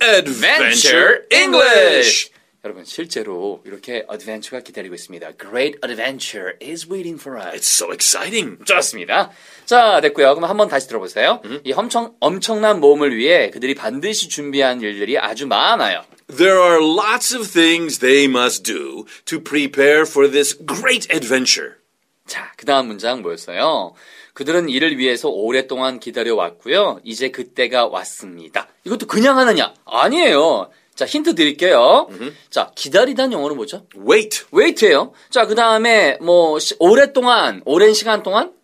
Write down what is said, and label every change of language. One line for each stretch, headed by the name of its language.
English: Adventure English.
Korean: 여러분, 실제로 이렇게 어드벤처가 기다리고 있습니다.
English: Great adventure is waiting for us. It's so exciting.
Korean: 좋습니다. 자, 됐고요. 그럼 한번 다시 들어보세요. Mm-hmm. 이 엄청난 모험을 위해 그들이 반드시 준비한 일들이 아주 많아요. There are lots of things they must do to prepare for this great adventure. 자, 그 다음 문장 뭐였어요? 그들은 이를 위해서 오랫동안 기다려왔고요. 이제 그때가 왔습니다. 이것도 그냥 하느냐? 아니에요. 자, 힌트 드릴게요. Mm-hmm. 자, 기다리다는 영어로 뭐죠?
English: Wait.
Korean: Wait예요. 자, 그 다음에 뭐 오랜 시간 동안?